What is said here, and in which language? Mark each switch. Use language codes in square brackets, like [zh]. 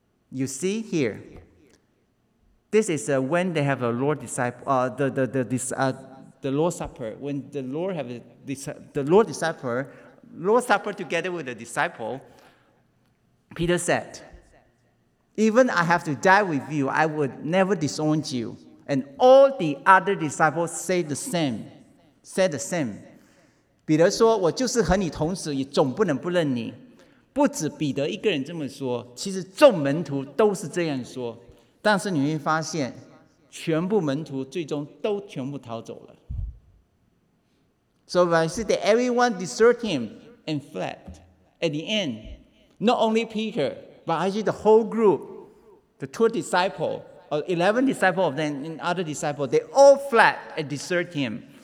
[en] You see here, this is when they have a Lord disciple, the Lord Supper. When the Lord have the Lord Supper together with the disciple, Peter said, "Even I have to die with you, I would never disown you." And all the other disciples say the same. Say the same. [zh] 彼得说，我就是和你同死，也总不能不认你。不止彼得一个人这么说，其实众门徒都是这样说。但是你会发现，全部门徒最终都全部逃走了。 [en] So when I see that everyone deserted him and fled, at the end, not only Peter, but actually the whole group, the 12 disciples, or 11 disciples of them and other disciples, they all fled and deserted him.